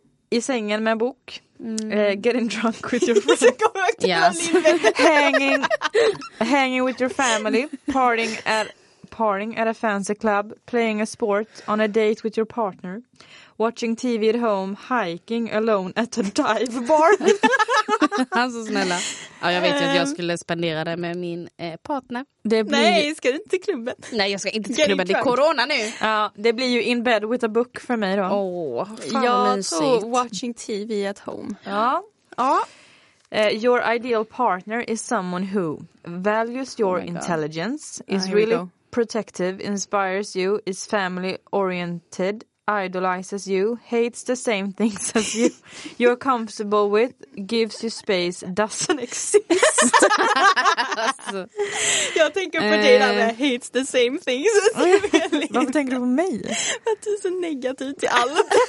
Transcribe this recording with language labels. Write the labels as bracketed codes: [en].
[sv] I sängen med en bok. [en] Getting drunk with your friends. Yes. hanging with your family. Partying at a fancy club. Playing a sport. On a date with your partner. Watching TV at home, hiking alone at a dive bar. [sv] Alltså snälla. Ja, jag vet ju att jag skulle spendera det med min partner. Det blir... Nej, ska du inte till klubben? Nej, jag ska inte till klubben. Det är corona nu. Ja, det blir ju [en] in bed with a book [sv] för mig då. Åh, oh, jag tror [en] watching TV at home. [sv] Ja. Ja. [en] Your ideal partner is someone who values your intelligence, is really protective, inspires you, is family oriented, idolizes you, hates the same things as you, you're comfortable with, gives you space, doesn't exist. [sv] Jag tänker på det där med [en] hates the same things as you. [sv] Varför tänker du på mig? Att du är så negativ till allt.